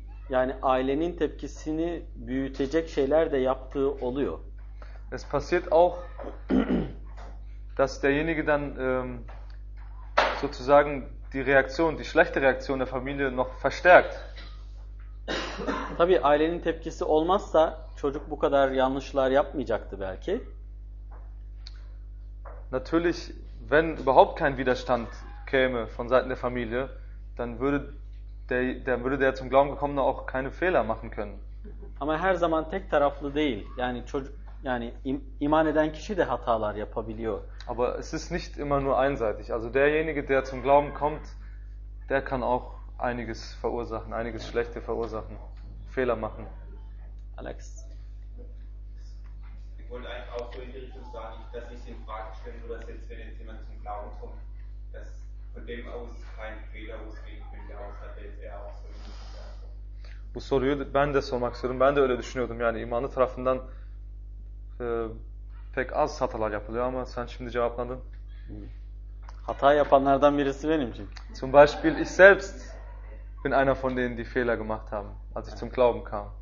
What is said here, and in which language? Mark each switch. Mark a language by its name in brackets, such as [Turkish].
[Turkish] Yani ailenin tepkisini büyütecek şeyler de yaptığı oluyor. [German] Es passiert auch, dass derjenige dann sozusagen die Reaktion, die schlechte Reaktion der Familie noch verstärkt. [Turkish] Tabii ailenin tepkisi olmazsa çocuk bu kadar yanlışlar yapmayacaktı belki. [German] Natürlich, wenn überhaupt kein Widerstand käme von Seiten der Familie, dann würde der zum Glauben gekommene auch keine Fehler machen können. [Turkish] Ama her zaman tek taraflı değil. Yani çocuk, yani iman eden kişi de hatalar yapabiliyor. [German] Aber es ist nicht immer nur einseitig. Also derjenige, der zum Glauben kommt, der kann auch einiges verursachen, einiges Schlechte verursachen, Fehler machen. Alex. Ich wollte eigentlich auch so in die Richtung sagen, dass ich sie in Frage stelle, nur dass jetzt, wenn jetzt jemand zum Glauben kommt, dass von dem aus kein Fehler ausgeht, wenn der aus hat, jetzt er auch so in die Frage. [Turkish] Bu soruyu ben de sormak istiyorum. Ben de öyle düşünüyordum. Yani imanı tarafından pek az hatalar yapılıyor ama sen şimdi cevapladın. Hata yapanlardan birisi benim çünkü. [German] Zum Beispiel ich selbst bin einer von denen, die Fehler gemacht haben, als ich zum Glauben kam.